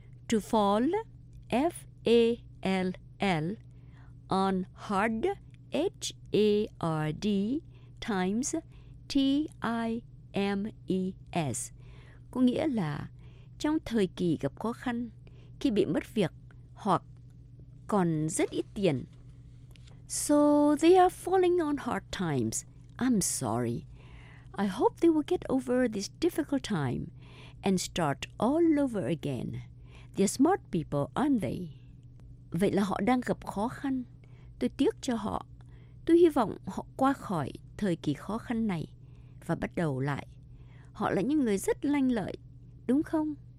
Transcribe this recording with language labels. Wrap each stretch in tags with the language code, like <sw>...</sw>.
<en>To fall, F-A-L-L, on hard, H-A-R-D, times, T-I-M-E-S.</en> <vi>Có nghĩa là trong thời kỳ gặp khó khăn, khi bị mất việc hoặc còn rất ít tiền.</vi> <en>So they are falling on hard times. I'm sorry. I hope they will get over this difficult time and start all over again. They're smart people, aren't they?</en> <vi>Vậy là họ đang gặp khó khăn. Tôi tiếc cho họ. Tôi hy vọng họ qua khỏi thời kỳ khó khăn này và bắt đầu lại. Họ là những người rất lanh lợi, đúng không?</vi>